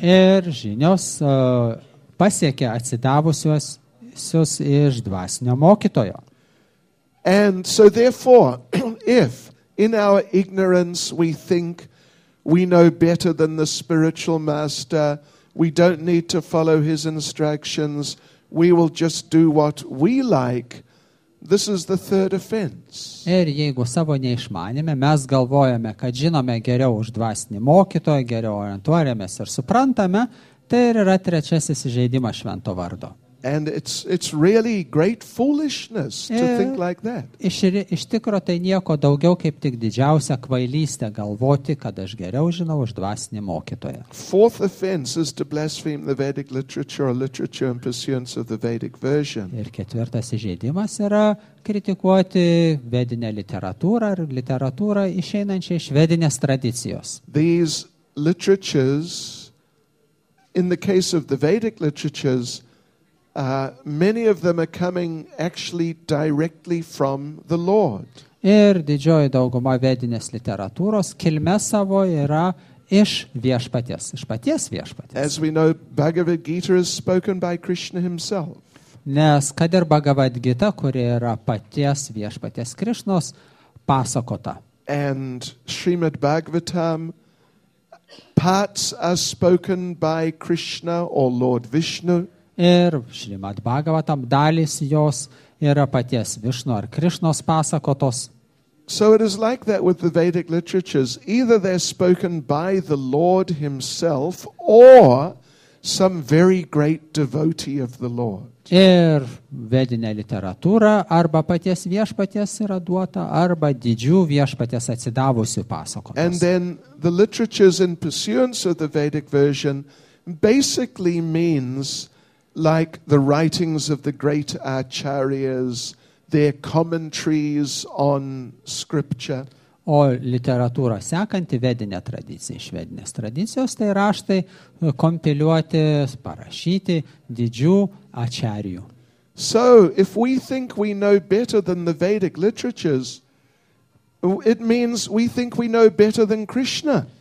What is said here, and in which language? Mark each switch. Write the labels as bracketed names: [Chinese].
[Lithuanian] Ir žinios pasiekia atsidavusiuosius iš dvasinio mokytojo. [English] And so therefore, if in our ignorance we think we know better than the spiritual master, we don't need to follow his instructions, we will just do what we like, this is the third offense. [Lithuanian] Ir jeigu savo neišmanime, mes galvojame, kad žinome geriau už dvasinį mokytoją, geriau orientuojamės ir suprantame, tai ir yra trečiasis įžeidimas švento vardo. [English] And it's really great foolishness to think like that. [Lithuanian] Iš tikro tai nieko daugiau kaip tik didžiausia kvailystė galvoti, kad aš geriau žinau už dvasinį mokytoją. [English] Fourth offense is to blaspheme the Vedic literature or literature in pursuance of the Vedic version. [Lithuanian] Ir ketvirtas įžeidimas yra kritikuoti vedinę literatūrą ar literatūrą išeinančią iš vedinės tradicijos. [English] These literatures, in the case of the Vedic literatures, many of them are coming actually directly from the Lord. [Lithuanian] Ir didžioji dauguma vedinės literatūros kilme savo yra iš viešpaties, iš paties viešpaties. [English] As we know, Bhagavad Gita is spoken by Krishna himself. [Lithuanian] Nes kad ir Bhagavad Gita, kuri yra paties viešpaties Krišnos, pasakota. [English] and Srimad Bhagavatam, parts are spoken by Krishna or Lord Vishnu. [Lithuanian] Ir Srimad Bhagavatam dalis jos yra paties Vishnu ar Krishnos pasakotos. [English] So it is like that with the Vedic literatures. Either they're spoken by the Lord himself or some very great devotee of the Lord. [Lithuanian] Ir vedinė literatūra arba paties viešpaties yra duota, arba didžių viešpaties atsidavusių pasakojimas. [English] And then the literatures in pursuance of the Vedic version basically means like the writings of the great acharyas, their commentaries on scripture. [Lithuanian] O literatūra sekanti vedinė tradicija, iš vedinės tradicijos, tai raštai kompiliuoti, parašyti didžių acharyų. [English] So, if we think we know better than the Vedic literatures, it means we think we know better than Krishna.